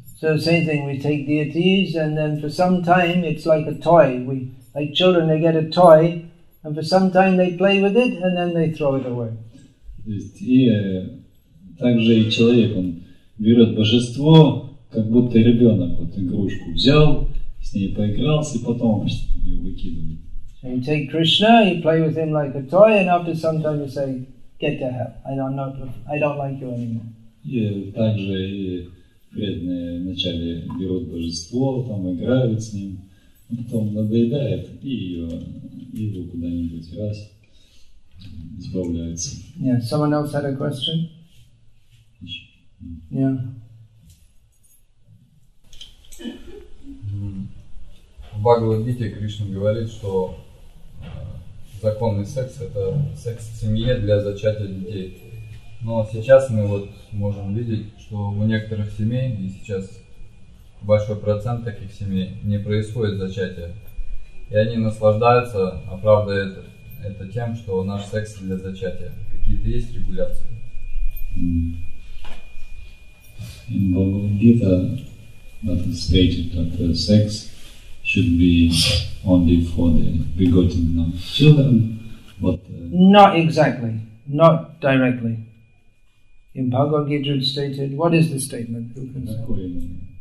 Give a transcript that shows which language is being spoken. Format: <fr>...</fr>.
<en>So same thing, we take deities and then for some time it's like a toy. We, like children, they get a toy. And for some time they play with it, and then they throw it away.</en> <ru>И также и человек, он берет божество, как будто ребенок вот игрушку взял, с ней поигрался, и потом ее выкидывает.</ru> <en>So you take Krishna, you play with him like a toy, and after some time you say, get to hell, I don't like you anymore.</en> <ru>И также и преданные вначале берут божество, там играют с ним, потом надоедает, и его куда-нибудь раз избавляется.</ru> <en>Yeah, someone else had a question? Yeah.</en> <ru>В Бхагавад-гите Кришна говорит, что законный секс, это секс в семье для зачатия детей. Но сейчас мы вот можем видеть, что у некоторых семей, и сейчас большой процент таких семей, не происходит зачатия. И они наслаждаются, оправдывают это тем, что наш секс для зачатия. Какие-то есть регуляции?</ru> <en>In Bhagavad Gita, that is stated that the sex should be only for the begotten of children, but... Not exactly, not directly. In Bhagavad Gita it's stated, what is the statement? Who can say?</en>